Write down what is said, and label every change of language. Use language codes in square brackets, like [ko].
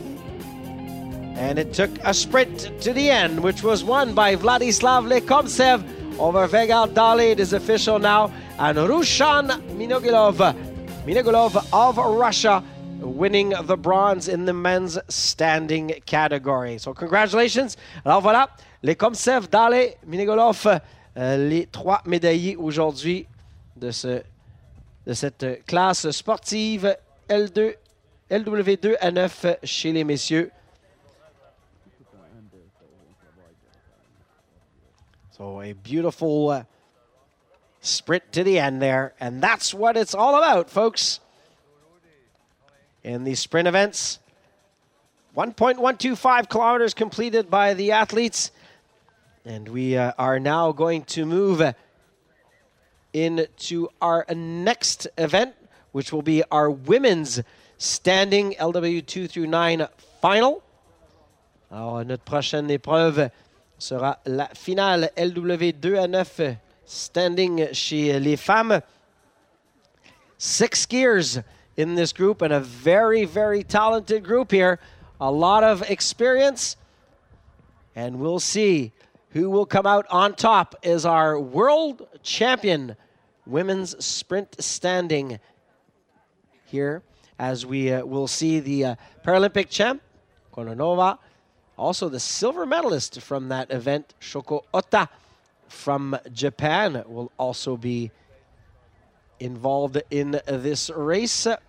[en] And it took a sprint to the end, which was won by Vladislav Lekomsev over Vegard Dahle. It is official now. And Rushan Minegulov of Russia winning the bronze in the men's standing category. So congratulations. [fr] Alors voilà, Lekomsev, Dahle, Minegulov, les trois médaillés aujourd'hui de cette classe sportive LW2-A9 chez les messieurs. [en] Oh, a beautiful sprint to the end there. And that's what it's all about, folks. In these sprint events, 1.125 kilometers completed by the athletes. And we are now going to move into our next event, which will be our women's standing LW2 through 9 final. [fr] Alors, notre prochaine épreuve sera la finale LW2-A9 standing chez les femmes. [en] Six skiers in this group and a very, very talented group here. A lot of experience. And we'll see who will come out on top as our world champion women's sprint standing here, as we will see the Paralympic champ, Kononova, also the silver medalist from that event, Shoko Ota from Japan, will also be involved in this race.